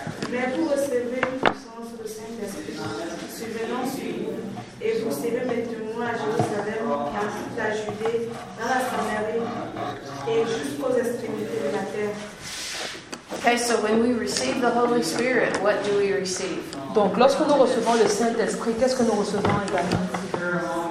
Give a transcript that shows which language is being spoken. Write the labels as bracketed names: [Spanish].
[French] Mais vous recevez une puissance du Saint-Esprit, survenant sur vous, et vous serez mes témoins à Jérusalem, en toute la Judée, dans la Samarie, et jusqu'aux extrémités de la terre. [English] Okay, so when we receive the Holy Spirit, what do we receive? [French] Donc, lorsque nous recevons le Saint-Esprit, qu'est-ce que nous recevons également?